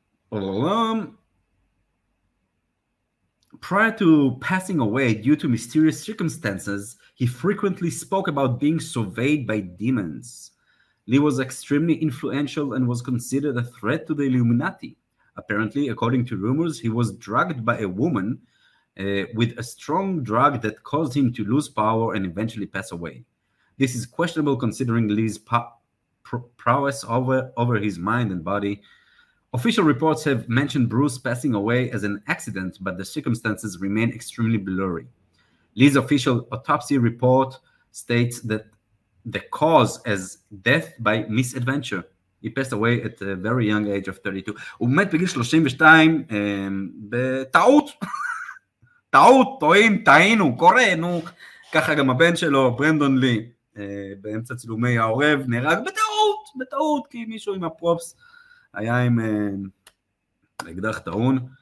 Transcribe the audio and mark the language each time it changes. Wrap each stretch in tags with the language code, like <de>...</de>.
<en>Prior to passing away due to mysterious circumstances, he frequently spoke about being surveyed by demons. Lee was extremely influential and was considered a threat to the Illuminati. Apparently, according to rumors, he was drugged by a woman with a strong drug that caused him to lose power and eventually pass away. This is questionable considering Lee's prowess over his mind and body. Official reports have mentioned Bruce passing away as an accident, but the circumstances remain extremely blurry. Lee's official autopsy report states that the cause is death by misadventure. He passed away at a very young age of 32.</en> <he>הוא מת בגיל 32, בטעות. טעות, טועים, טעינו, קוראינו. ככה גם הבן שלו, ברנדון לי, באמצע צילומי העורב, נהרג בטעות, בטעות, כי מישהו עם הפרופס היה עם אקדח טעון.</he>